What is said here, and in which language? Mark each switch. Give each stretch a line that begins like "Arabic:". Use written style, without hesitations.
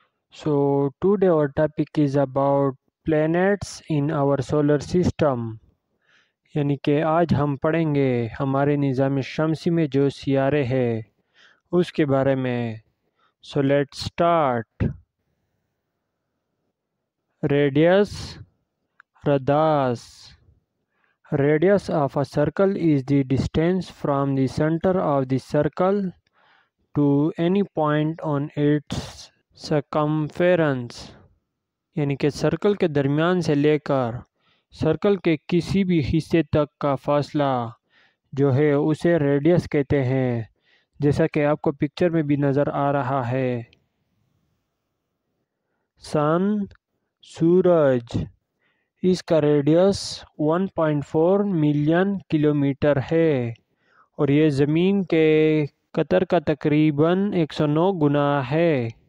English: So today our topic is about planets in our solar system.
Urdu: یعنی کہ آج ہم پڑھیں گے ہمارے نظام شمسی میں جو سیارے ہیں اس کے بارے میں.
English: So let's start. Radius, radars. Radius of a circle is the distance from the center of the circle to any point on its circumference.
Urdu: یعنی کہ سرکل کے درمیان سے لے کر سرکل کے کسی بھی حصے تک کا فاصلہ جو ہے اسے ریڈیس کہتے ہیں, جیسا کہ آپ کو پکچر میں بھی نظر آ رہا ہے. سن, سورج, اس کا ریڈیس 1.4 ملین کلو میٹر ہے اور یہ زمین کے قطر کا تقریباً 109 گنا ہے.